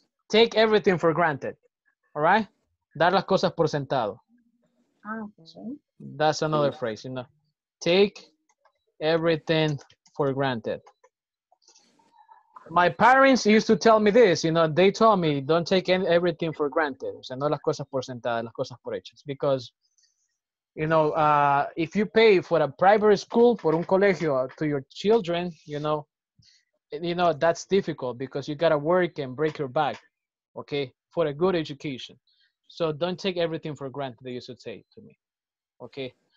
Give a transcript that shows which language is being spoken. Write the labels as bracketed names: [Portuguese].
[English] Take everything for granted, all right? [Spanish] Dar las cosas por sentado. [English] Okay. That's another phrase, you know? Take everything for granted. My parents used to tell me this, you know, they told me, don't take everything for granted. [Spanish] O sea, no las cosas por sentadas, las cosas por hechas. [English] Because, you know, if you pay for a private school, for [Spanish] un colegio [English] to your children, you know, that's difficult because you gotta work and break your back, okay, for a good education. So don't take everything for granted, they used to say to me, okay?